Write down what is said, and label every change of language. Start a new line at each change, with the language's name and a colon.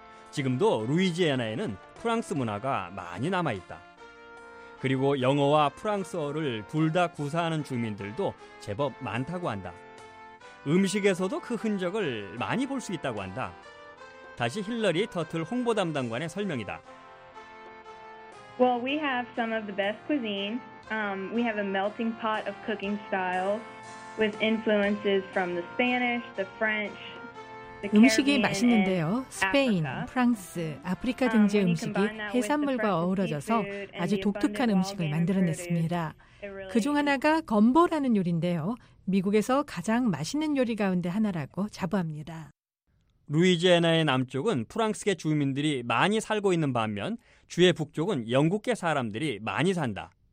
Korean: 지금도 루이지애나에는 프랑스 문화가 많이 남아있다. 그리고 영어와 프랑스어를 둘 다 구사하는 주민들도 제법 많다고 한다. 음식에서도 그 흔적을 많이 볼 수 있다고 한다. 다시 힐러리 터틀 홍보 담당관의 설명이다.
English: Well, we have some of the best cuisine. We have a melting pot of cooking styles with influences from the Spanish, the French, the Caribbean.
Korean: 음식이 맛있는데요. 스페인, 프랑스, 아프리카 등지의 음식이 해산물과 어우러져서 아주 독특한 음식을 만들어냈습니다. 그중 하나가 건보라는 요리인데요. 미국에서 가장 맛있는 요리 가운데 하나라고 자부합니다. 루이지애나의 남쪽은 프랑스계 주민들이 많이 살고 있는 반면 주의 북쪽은 영국계 사람들이 많이 산다.